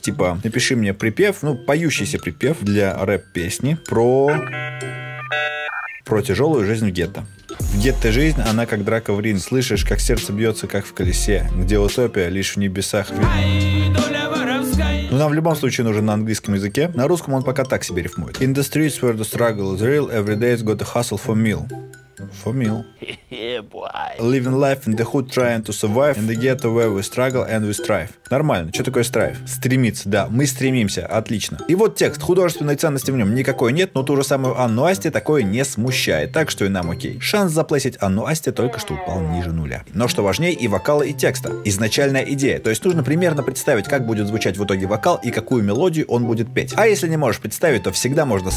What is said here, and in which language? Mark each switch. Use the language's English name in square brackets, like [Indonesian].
[Russian] Типа, напиши мне припев, ну, поющийся припев для рэп-песни про тяжелую жизнь в гетто. В гетто жизнь, она как драка в ринг. Слышишь, как сердце бьется, как в колесе, где утопия лишь в небесах видна. Но нам в любом случае нужен на английском языке. На русском он пока так себе рифмует. [English] In the streets where the struggle is real, every day's got a hustle for meal. For meal. Living life in the hood, trying to survive. In the ghetto where we struggle and we strive. [Russian] Нормально, что такое strive? Стремиться, да, мы стремимся, отлично. И вот текст, художественной ценности в нем никакой нет, но ту же самую Анну Асти такое не смущает. Так что и нам окей. Шанс заплесить Анну Асти только что упал ниже нуля. Но что важнее, и вокала, и текста. Изначальная идея, то есть нужно примерно представить, как будет звучать в итоге вокал и какую мелодию он будет петь. А если не можешь представить, то всегда можно с...